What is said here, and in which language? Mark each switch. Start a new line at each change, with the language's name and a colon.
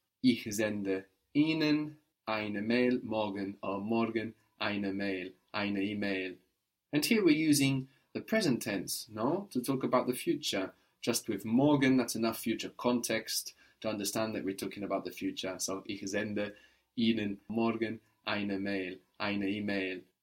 German: Ich sende Ihnen eine Mail morgen, or morgen eine E-Mail.
English: And here we're using the present tense, no? To talk about the future. Just with morgen, that's enough future context to understand that we're talking about the future.
German: So, ich sende Ihnen morgen eine E-Mail.